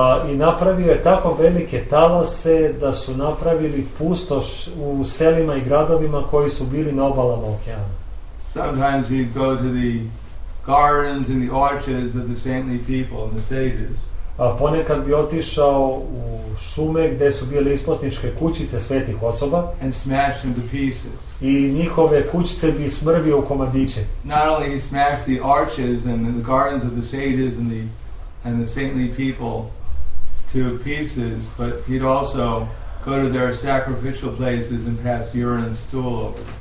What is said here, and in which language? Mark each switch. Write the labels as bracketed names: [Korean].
[Serbian] I napravio je tako velike talase da su napravili pustoš u selima i gradovima koji su bili na obalama okeana. [English] Sometimes he'd go to the gardens and the orchards of the saintly people and the sages. [Serbian] A ponekad bi otišao u šume gdje su bile isposničke kućice svetih osoba. [English] And smashed them to pieces. [Serbian] I njihove kućice bi smrvio u komadiće. [English] Not only he smashed the arches and the gardens of the sages and the saintly people to pieces, but he'd also go to their sacrificial places and pass urine and stool over.